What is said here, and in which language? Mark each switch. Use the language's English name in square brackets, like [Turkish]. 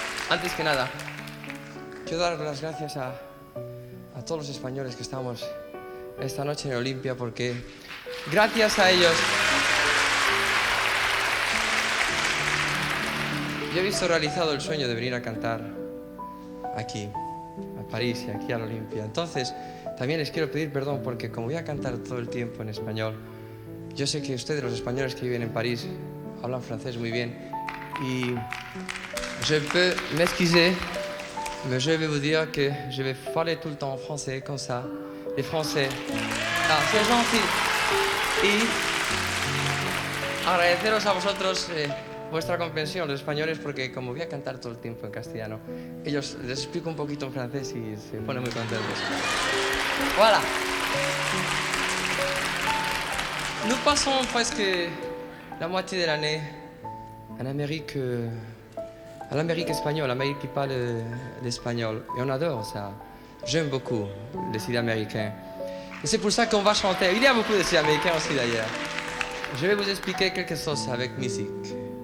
[Spanish] Antes que nada, quiero dar las gracias a todos los españoles que estamos esta noche en Olimpia, porque gracias a ellos yo he visto realizado el sueño de venir a cantar aquí, a París y aquí a la Olimpia. Entonces, también les quiero pedir perdón porque como voy a cantar todo el tiempo en español, yo sé que ustedes, los españoles que viven en París, hablan francés muy bien y [French] je peux m'excuser. Mais je vais vous dire que je vais parler tout le temps en français, comme ça. Les Français. Ah, c'est gentil. [Spanish] Et agradeceros a vosotros vuestra comprensión, los españoles, porque como voy a cantar todo el tiempo en castellano, ellos les explico un poquito en francés y se ponen muy contentos. [French] Voilà. Nous passons presque la moitié de l'année en Amérique. À l'Amérique espagnole, l'Amérique qui parle l'espagnol. Et on adore ça. J'aime beaucoup les Sud-Américains. Et c'est pour ça qu'on va chanter. Il y a beaucoup de Sud-Américains aussi d'ailleurs. Je vais vous expliquer quelque chose avec musique.